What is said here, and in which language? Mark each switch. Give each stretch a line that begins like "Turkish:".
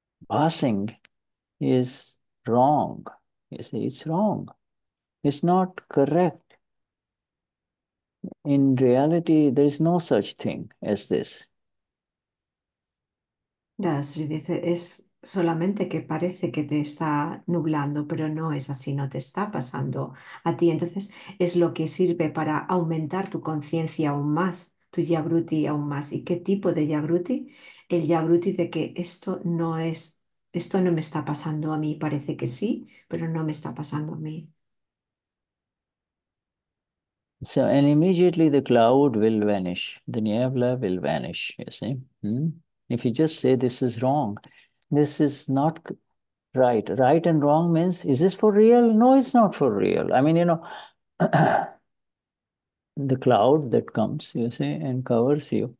English: Passing is wrong. You see, it's wrong. It's not correct. In reality, there is no such thing as this.
Spanish: Dadashri dice, es solamente que parece que te está nublando, pero no es así, no te está pasando a ti. Entonces es lo que sirve para aumentar tu conciencia aún más, tu Jagruti aún más. ¿Y qué tipo de Jagruti? El Jagruti de que esto no me está pasando a mí. Parece que sí, pero no me está pasando a mí.
English: So, and immediately the cloud will vanish, the niebla will vanish, you see. If you just say this is wrong, this is not right. Right and wrong means, is this for real? No, it's not for real. I mean, the cloud that comes, you see, and covers you.